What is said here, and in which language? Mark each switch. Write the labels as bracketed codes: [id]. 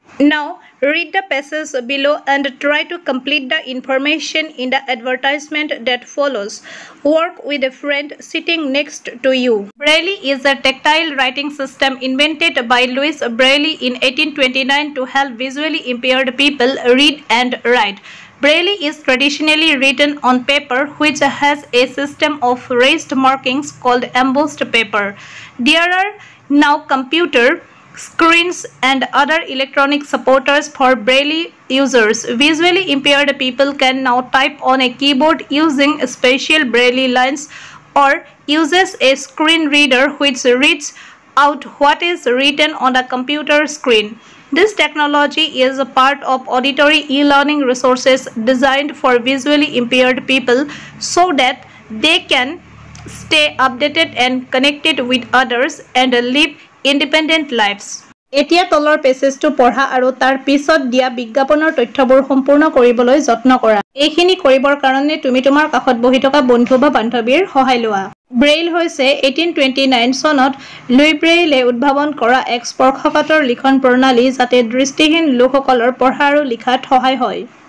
[en] Now read the passage below and try to complete the information in the advertisement that follows. Work with a friend sitting next to you. Braille is a tactile writing system invented by Louis Braille in 1829 to help visually impaired people read and write. Braille is traditionally written on paper which has a system of raised markings called embossed paper. There are now computer screens and other electronic supporters for Braille users. Visually impaired people can now type on a keyboard using special Braille lines or uses a screen reader which reads out what is written on the computer screen. This technology is a part of auditory e-learning resources designed for visually impaired people so that they can stay updated and connected with others and live independent lives. [as] এতিয়া তলৰ পেছেজটো পঢ়া আৰু তাৰ পিছত দিয়া বিজ্ঞাপনৰ তথ্যবোৰ সম্পূৰ্ণ কৰিবলৈ যত্ন কৰা। এইখিনি কৰিবৰ কাৰণে তুমি তোমাৰ কাষত বহি থকা বন্ধু বা বান্ধৱীৰ সহায় লোৱা। ব্ৰেইল হৈছে 1829 চনত লুই ব্ৰেইলে উদ্ভাৱন কৰা এক স্পৰ্শকাতৰ লিখন প্ৰণালী যাতে দৃষ্টিহীন লোকসকলৰ পঢ়া আৰু লিখাত সহায় হয়।